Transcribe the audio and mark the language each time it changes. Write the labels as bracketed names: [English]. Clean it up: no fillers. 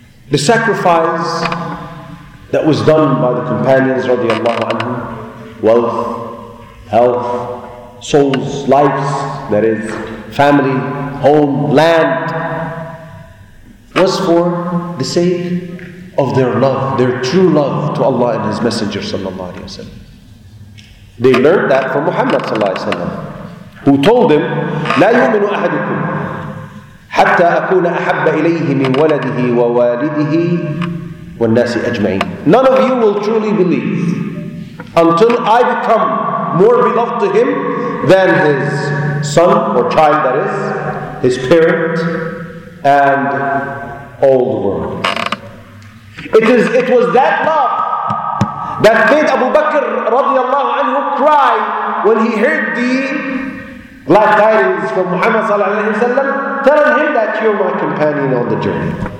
[English] The sacrifice that was done by the companions radiallahu anhum, wealth, health, souls, lives, that is, family, home, land, was for the sake of their love, their true love to Allah and His Messenger sallallahu alaihi wasallam. They learned that from Muhammad sallallahu alaihi wasallam, who told them, [Arabic] لا يؤمن أحدكم حتى أكون أحب إليه من ولده ووالده والناس أجمعين. [English] None of you will truly believe until I become more beloved to him than his son or child, that is, his parent and all the world. It was that love that made Abu Bakr radiallahu anhu cry when he heard the glad tidings from Muhammad sallallahu alaihi wasallam, telling him that you're my companion on the journey.